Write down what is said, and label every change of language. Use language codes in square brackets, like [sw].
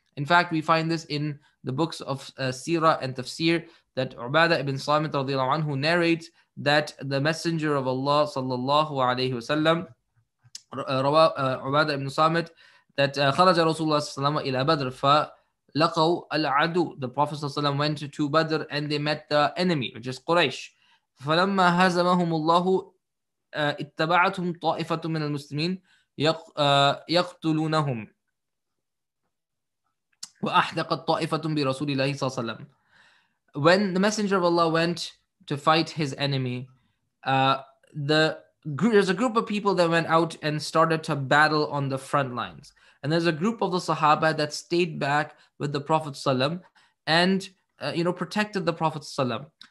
[en] In fact, we find this in the books of Sirah and Tafsir, that Ubadah ibn Samit radiallahu anhu narrates that the Messenger of Allah sallallahu alayhi wa sallam, Ubadah ibn Samit, that [ar] خرج رسول الله صلى الله عليه وسلم إلى بدر فلقوا العدو. [en] The Prophet ﷺ went to Badr and they met the enemy, which is Quraysh. [ar] فلما هزمهم الله اتبعتهم طائفة من المسلمين يقتلونهم وأحدقت طائفة برسول الله صلى الله عليه وسلم. [en] When the Messenger of Allah went to fight his enemy, there's a group of people that went out and started to battle on the front lines. And there's a group of the Sahaba that stayed back with the Prophet Sallam and protected the Prophet Sallam.